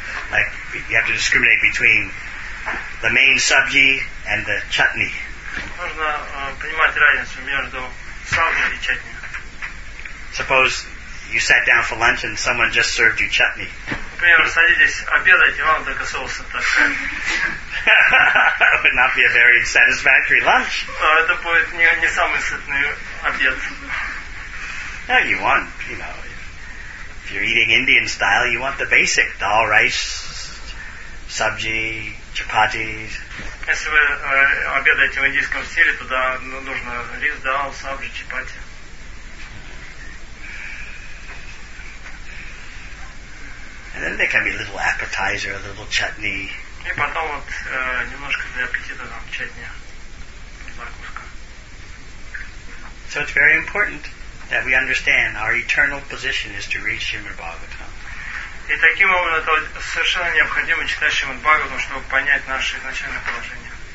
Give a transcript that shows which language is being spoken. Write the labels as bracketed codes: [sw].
[en] Like you have to discriminate between the main sabji and the chutney. [ru] Нужно понимать разницу между сабжи и чатни. [en] Suppose you sat down for lunch and someone just served you chutney. [ru] Например, садитесь обедать, и вам только соус отдали. [en] That would not be a very satisfactory lunch. [ru] Это будет не самый сытный обед. [en] Yeah, you want, you know. If you're eating Indian style, you want the basic dal, rice, sabji, chapatis. [ru] Если вы обедаете в индийском стиле, туда нужно рис, дал, сабжи, чапати. [en] And then there can be a little appetizer, a little chutney. [ru] И потом вот немножко для аппетита там чатни, закуска. [en] So it's very important that we understand our eternal position is to read Srimad Bhagavatam. [ru] И таким образом это совершенно необходимо читать Шримад Бхагаватам, чтобы понять наше изначальное положение.